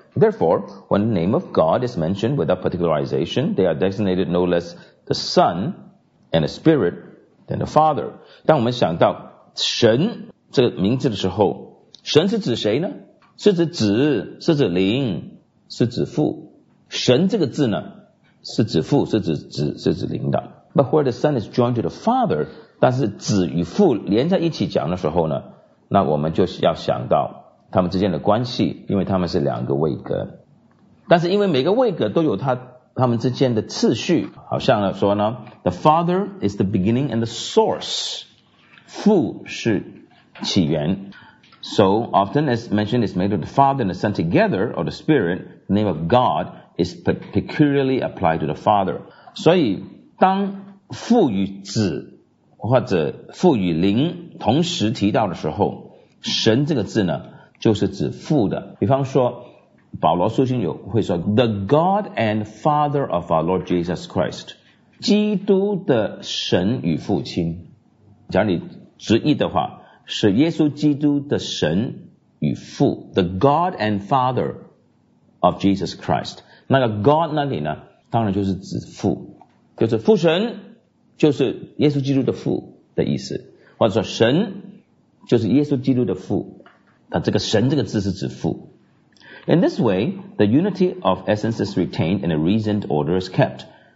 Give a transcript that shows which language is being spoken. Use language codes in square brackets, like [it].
[en] Therefore, when the name of God is mentioned without particularization, they are designated no less the Son and the Spirit than the Father. [zh] 当我们想到神这个名字的时候，神是指谁呢？是指子，是指灵，是指父。神这个字呢，是指父，是指子，是指灵的。 [en] But where the Son is joined to the Father, [zh] 但是子与父连在一起讲的时候呢，那我们就要想到他们之间的关系，因为他们是两个位格。但是因为每个位格都有他们之间的次序，好像说呢 [en] The Father is the beginning and the source， [zh] 父是起源。 [en] So often as mentioned is made of the Father and the Son together or the Spirit， the name of God is peculiarly applied to the Father。 [zh] 所以当父与子或者父与灵同时提到的时候，神这个字呢就是指父的。比方说保罗书信有会说 [en] The God and Father of our Lord Jesus Christ， [zh] 基督的神与父亲。假如你直译的话，是耶稣基督的神与父， [en] The God and Father of Jesus Christ。 [zh] 那个 God 那里呢，当然就是指父，就是父神，就是耶稣基督的父的意思。或者说神就是耶稣基督的父，但这个神这个字是指父。 [en] In this way, the unity of essence is retained and a reasoned order is kept.